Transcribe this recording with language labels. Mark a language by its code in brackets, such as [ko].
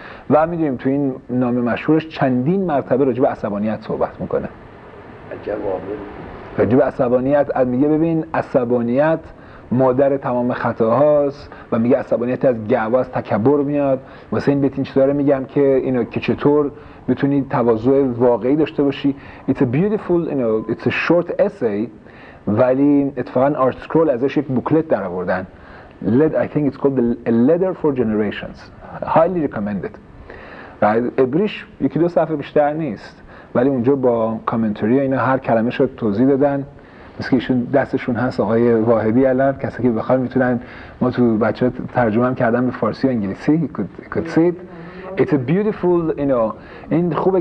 [fa] و میدونیم تو این نامه مشهورش چندین مرتبه راجع به عصبانیت صحبت میکنه، راجع به عصبانیت میگه ببین عصبانیت مادر تمام خطاهاست، و میگه عصبانیت از گاوا از تکبر میاد. واسه این بیت چی داره میگم که اینو که چطور بتونی تواضع واقعی داشته باشی. [en] It's a beautiful, you know, it's a short essay. [fa] ولی اتفاقا آرت سکرول ازش یک بوکلت در آوردن. [en] I think it's called A Letter for Generations. Highly recommended. [fa] ابریش یکی دو صفحه بیشتر نیست، ولی اونجا با کامنتری اینا هر کلمه شو توضیح دادن. مثل ایشون دستشون هست آقای واحدی الان، کسی که بخواد میتونن، ما تو بچه ترجمه هم کردن به فارسی و انگلیسی. [en] Could see it. It's a beautiful, you know. [fa] این خوبه.